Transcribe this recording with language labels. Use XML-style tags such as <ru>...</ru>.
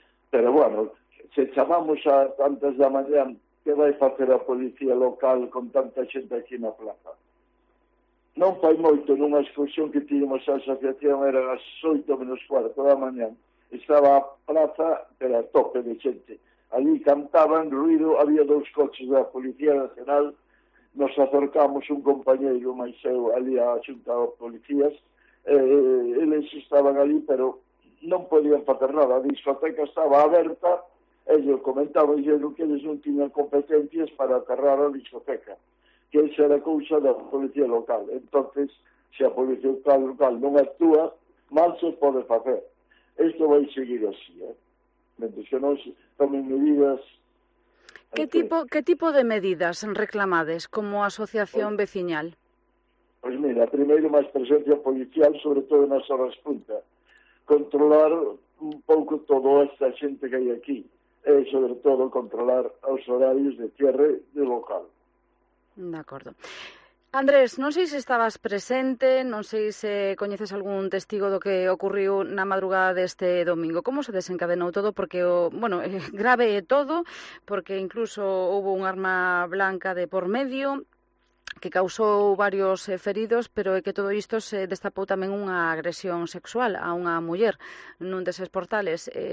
<gl>Pero bueno, se chamamos a tantas da mañá, que vai facer a policía local con tanta xente aquí na plaza? Non fai moito nunha excursión que tínhamos a asociación, era as 8:45 da mañá. Estaba a plaza, pero a tope de xente. Allí cantaban, ruido, había dous coches da Policía Nacional. Nos acercamos un compañero máis eu ali a xunta de policías. Eles estaban ali, pero non podían facer nada. A discoteca estaba aberta</gl> <es>Ellos comentaban que los jueces no tenían competencias para cerrar la discoteca, que esa era cosa de la policía local. Entonces, si la policía local no actúa, mal se puede hacer. Esto va a seguir así, mientras que no se tomen medidas.</es> <gl>¿Qué tipo de medidas reclamades como asociación vecinal?</gl> <es>Pues mira, primero más presencia policial, sobre todo en las horas punta. Controlar un poco toda esta gente que hay aquí. Sobre todo controlar los horarios de cierre del local. De acuerdo.</es> <gl>Andrés, non sei se estabas presente, non sei se coñeces algún testigo do que ocurriu na madrugada deste domingo. Como se desencadenou todo? Porque, grave é todo, porque incluso houve un arma blanca de por medio que causou varios feridos, pero é que todo isto se destapou tamén unha agresión sexual a unha muller nun deses portales.</gl>